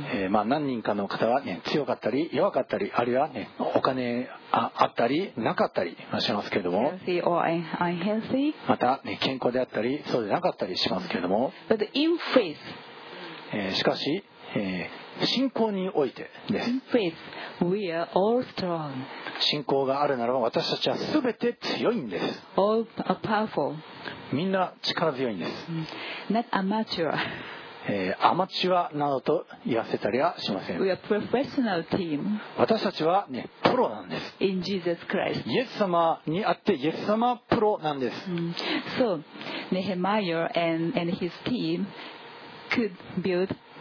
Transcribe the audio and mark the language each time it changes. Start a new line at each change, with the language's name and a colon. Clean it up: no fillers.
Japanese: まあ何人かの方は、ね、強かったり弱かったり、あるいは、ね、お金 あったりなかったりしますけれども。
English: Healthy or unhealthy.
Japanese: また、ね、健康であったりそうでなかったりしますけれども。
English: But in faith.
Japanese: しかし、信仰においてです。
English: In faith, we are all strong.
Japanese: 信仰があるならば私たちはすべて強いんです。
English: All are powerful.
Japanese: みんな力強いんです。
English: Not amateur.
Japanese: アマチュアなどと言わせたりはしません。
English: We are professional team.
Japanese: 私たちは、ね、プロなんです。
English: In Jesus Christ.
Japanese: イエス様にあってイエス様プロなんです。
English: So, Nehemiah and his team could build.